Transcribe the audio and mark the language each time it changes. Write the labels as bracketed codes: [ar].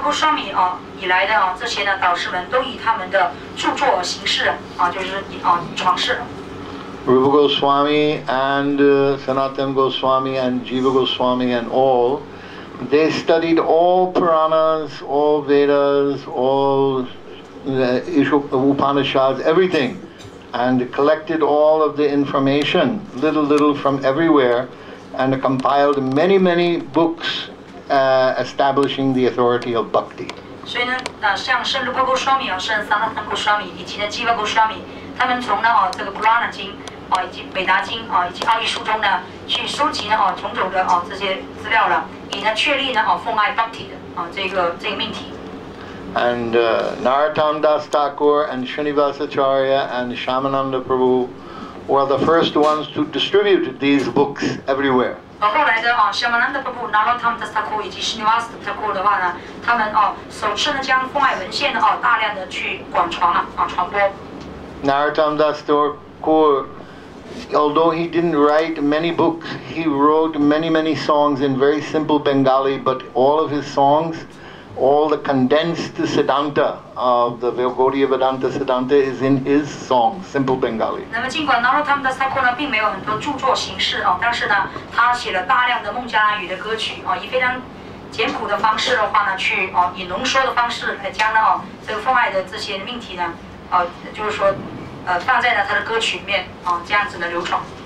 [en] Goswami 啊以来的啊，这些呢导师们都以他们的著作形式啊，就是啊尝试。 Rupa Goswami and Sanatan Goswami and Jiva Goswami and all, they studied all Puranas, all Vedas, all Upanishads, everything, and collected all of the information, little from everywhere, and compiled many books establishing the authority of bhakti. [zh] 所以呢，像圣卢波沟沙弥、圣桑达坦沟沙弥以及呢基瓦沟沙弥，他们从呢这个《布拉纳经》以及《北达经》以及《奥义书》中呢，去收集呢种种的这些资料了，以呢确立呢奉爱 bhakti 的这个命题。 [en] And Narottam Das Thakur and Srinivas Acharya and Shamananda Prabhu were the first ones to distribute these books everywhere. [zh] 后来的Shamananda Prabhu、Narottam Das Thakur 以及 Srinivas Thakur 的话呢，他们首次呢将奉爱文献呢大量的去广传了传播。 [en] Narottam Das Thakur, although he didn't write many books, he wrote many songs in very simple Bengali, but all of his songs. All the condensed Siddhanta of the Gaudiya Vedanta Siddhanta is in his songs, simple Bengali. [zh] 那么尽管 Narottam Das Thakur 并没有很多著作形式但是呢，他写了大量的孟加拉语的歌曲以非常简朴的方式的话呢，去以浓缩的方式来将呢这个奉爱的这些命题呢，就是说，放在了他的歌曲里面这样子的流传。